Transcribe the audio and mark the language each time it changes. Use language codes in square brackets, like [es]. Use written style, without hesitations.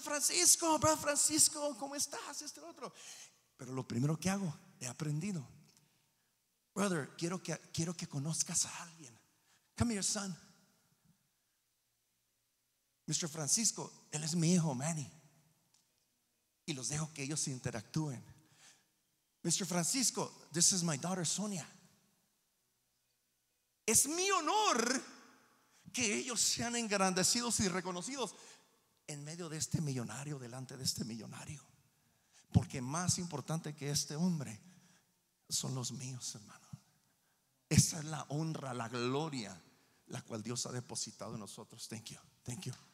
[es] Francisco, Brother Francisco, ¿cómo estás? Este otro. Pero lo primero que hago, he aprendido. Brother, quiero que conozcas a alguien. [en] Come here, son. [es] Mr. Francisco, él es mi hijo, Manny. Y los dejo que ellos interactúen. [en] Mr. Francisco, this is my daughter, Sonia. [es] Es mi honor que ellos sean engrandecidos y reconocidos en medio de este millonario, delante de este millonario. Porque más importante que este hombre son los míos, hermano. Esa es la honra, la gloria, la cual Dios ha depositado en nosotros. [en] Thank you.